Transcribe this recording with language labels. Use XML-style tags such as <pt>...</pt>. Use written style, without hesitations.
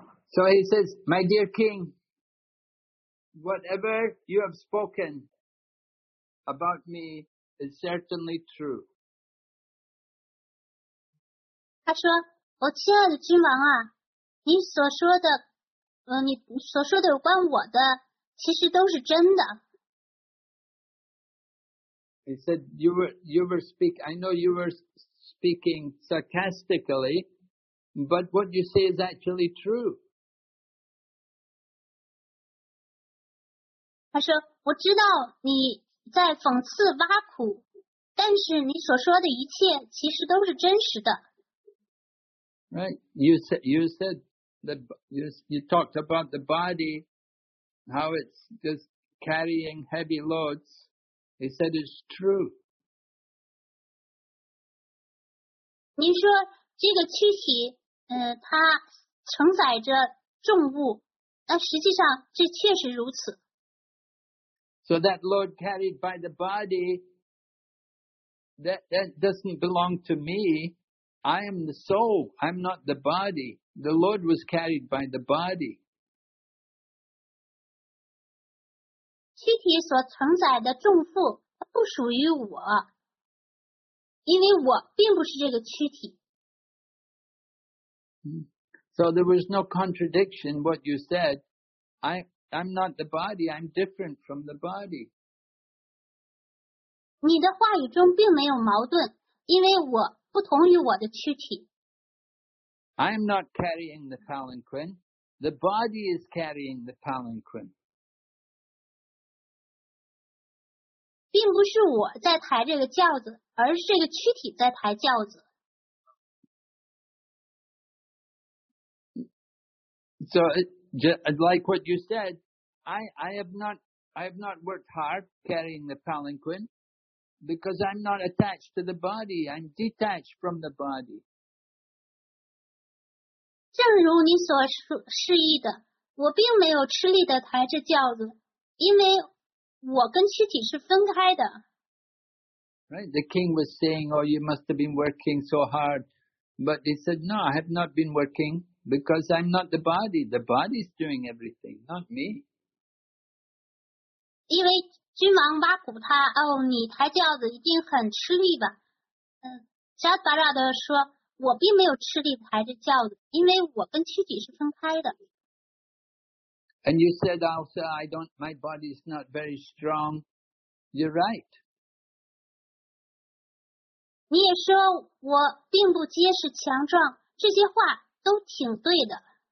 <en>So he says, my dear king, whatever you have spoken about me is certainly true.</en> <zh>他说，我亲爱的君王啊，你所说的，你所说的有关我的，其实都是真的。</zh> <en>He said, I know you were speaking sarcastically, but what you say is actually true.</en> <zh>他说，我知道你在讽刺挖苦，但是你所说的一切其实都是真实的。</zh> <en>Right, you talked about the body, how it's just carrying heavy loads. He said it's true.</en> <zh>您说这个躯体，它承载着重物，但实际上这确实如此。</zh> <en>So that load carried by the body, that doesn't belong to me. I am the soul. I'm not the body. The load was carried by the body.</en> <zh>躯体所承载的重负，它不属于我。因为我并不是这个躯体。</zh> <en>So there was no contradiction what you said. I'm not the body, I'm different from the body.</en> <zh>你的话语中并没有矛盾，因为我不同于我的躯体。</zh> <en>I'm not carrying the palanquin, the body is carrying the palanquin.</en> <zh>并不是我在抬这个轿子。而是这个躯体在抬轿子。</zh> <en>So, like what you said, I have not worked hard carrying the palanquin because I'm not attached to the body. I'm detached from the body.</en> <zh>正如你所示意的，我并没有吃力的抬着轿子，因为我跟躯体是分开的。</zh> <en>Right? The king was saying, oh, you must have been working so hard. But he said, no, I have not been working because I'm not the body. The body is doing everything, not me.</en> <zh>因为君王挖苦他，哦，你抬轿子一定很吃力吧？嗯，沙巴拉德说，我并没有吃力抬着轿子，因为我跟躯体是分开的。</zh> <en>And you said also, I don't, my body is not very strong. You're right.</en> <zh>你也说我并不结实强壮，这些话都挺对的。</zh>